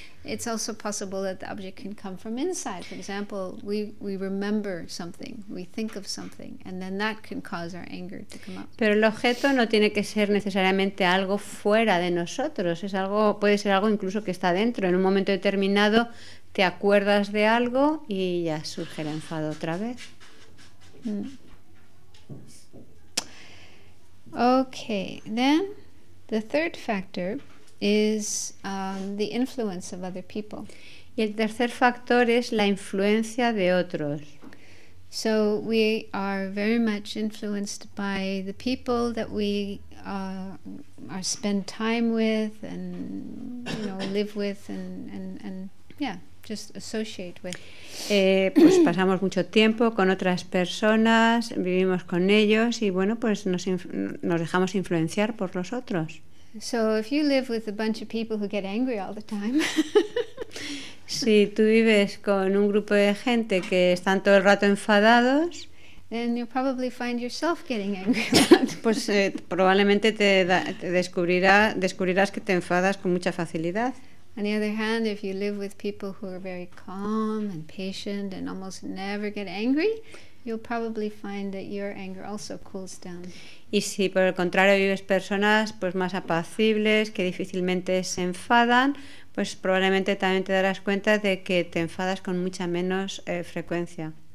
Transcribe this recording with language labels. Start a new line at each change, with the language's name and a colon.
English: It's also possible that the object can come from inside. For example, we remember something, we think of something, and then that can cause our anger to come up.
Spanish: Pero el objeto no tiene que ser necesariamente algo fuera de nosotros. Es algo, puede ser algo incluso que está dentro. En un momento determinado te acuerdas de algo y ya surge el enfado otra vez.
English: Okay, then the third factor is the influence of other people.
Spanish: Y el tercer factor es la influencia de otros.
English: So we are very much influenced by the people that we are spend time with and live with and just associate with.
Spanish: Pues pasamos mucho tiempo con otras personas, vivimos con ellos y bueno, pues nos dejamos influenciar por los otros.
English: So if you live with a bunch of people who get angry all the time.
Spanish: Si tú vives con un grupo de gente que están todo el rato enfadados,
English: then you'll probably find yourself getting angry.
Spanish: Pues probablemente descubrirás que te enfadas con mucha facilidad.
English: On the other hand, if you live with people who are very calm and patient and almost never get angry, you'll probably find that your anger also cools down.
Spanish: Y si por el contrario vives personas pues más apacibles, que difícilmente se enfadan, pues probablemente también te darás cuenta de que te enfadas con mucha menos frecuencia.